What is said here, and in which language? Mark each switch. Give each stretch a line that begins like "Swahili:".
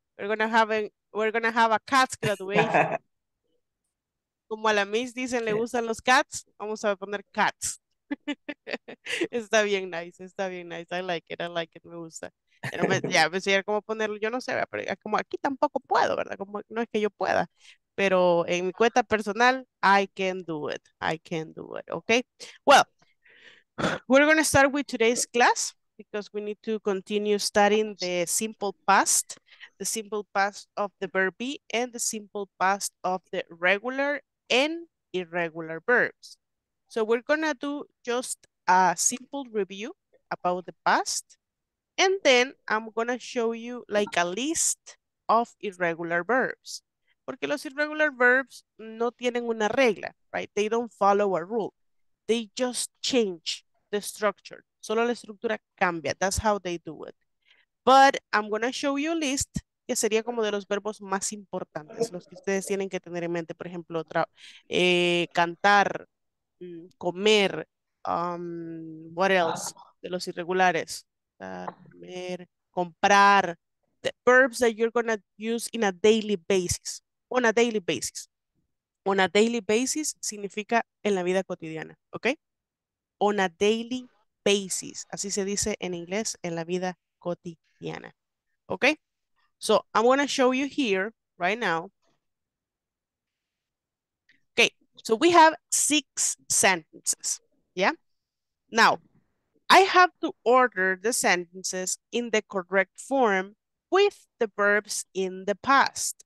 English: We're gonna have a cat's graduation.
Spanish: Como a la Miss dicen, le gustan los cats, vamos a poner cats. Está bien nice, está bien nice.
English: I like it,
Spanish: me gusta. Pero me decía cómo ponerlo, yo no sé, pero como aquí tampoco puedo, ¿verdad? Como no es que yo pueda, pero en mi cuenta personal,
English: I can do it,
Spanish: okay?
English: Well, we're going to start with today's class because we need to continue studying the simple past of the verb be and the simple past of the regular and irregular verbs. So we're gonna do just a simple review about the past, and then I'm gonna show you like a list of irregular verbs.
Spanish: Porque los irregular verbs no tienen una regla, right?
English: They don't follow a rule. They just change the structure.
Spanish: Solo la estructura cambia.
English: That's how they do it. But I'm gonna show you a list
Spanish: que sería como de los verbos más importantes, los que ustedes tienen que tener en mente. Por ejemplo, cantar, comer,
English: what else,
Spanish: de los irregulares, comer, comprar,
English: the verbs that you're gonna use in a daily basis, on a daily basis. On a daily basis
Spanish: significa en la vida cotidiana,
English: okay? On a daily basis.
Spanish: Así se dice en inglés en la vida cotidiana.
English: Okay? So I'm going to show you here right now. Okay. So we have six sentences. Yeah? Now, I have to order the sentences in the correct form with the verbs in the past.